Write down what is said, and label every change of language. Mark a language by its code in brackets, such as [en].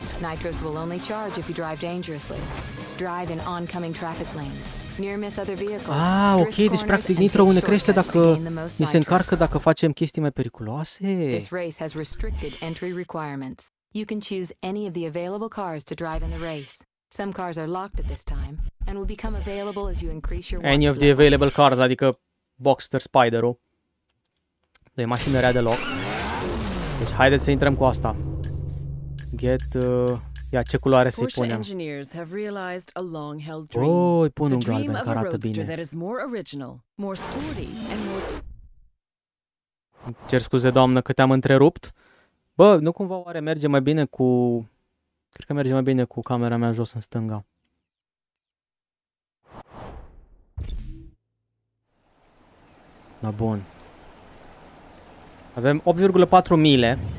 [en] Nitros will only charge if you drive dangerously. Drive in oncoming traffic lanes. Near miss other vehicles. [ro] Ah, ok, deci practic nitro ne crește dacă ni se încarcă dacă facem chestii mai periculoase. [en] This race has restricted entry requirements. You can choose any of the available cars to drive in the race. Some cars are locked at this time and will become available as you increase your any of the available cars, [ro] adică Boxster Spider-ul. Deci mașina rea deloc. Deci haideți să intrăm cu asta. Get ia ce culoare să-i punem. [en] Porsche engineers have realized a long-held dream. [ro] Oh, îi pun un galben care arată bine. [en] That is more original, more sporty and more... [ro] Cer scuze, doamnă, că te-am întrerupt. Bă, nu cumva oare merge mai bine cu... Cred că merge mai bine cu camera mea jos în stânga. Da, bun. Avem 8,4 mile.